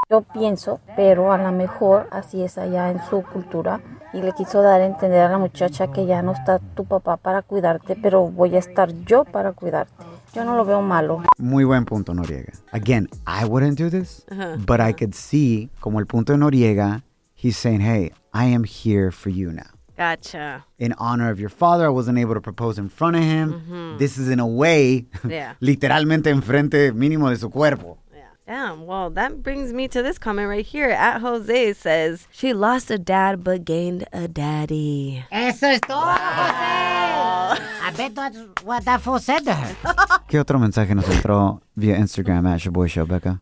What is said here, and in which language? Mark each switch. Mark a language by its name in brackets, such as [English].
[Spanish] Yo pienso, pero a lo mejor así es allá en su cultura. Y le quiso dar a entender a la muchacha que ya no está tu papá para cuidarte, pero voy a estar yo para cuidarte. Yo no lo veo malo. Muy buen punto, Noriega. [English] Again, I wouldn't do this, but I could see [Spanish] como el punto de [English] Noriega, he's saying, hey, I am here for you now. Gotcha. In honor of your father, I wasn't able to propose in front of him. Mm-hmm. This is in a way, [Spanish] literalmente enfrente mínimo de su cuerpo. [English] Yeah. Damn, well, that brings me to this comment right here. At Jose says, she lost a dad but gained a daddy. [Spanish] Eso es todo, wow. Jose. [English] I bet that's what that fool said to her. [Spanish] ¿Qué otro mensaje nos entró via Instagram at Shaboy Show, Becca?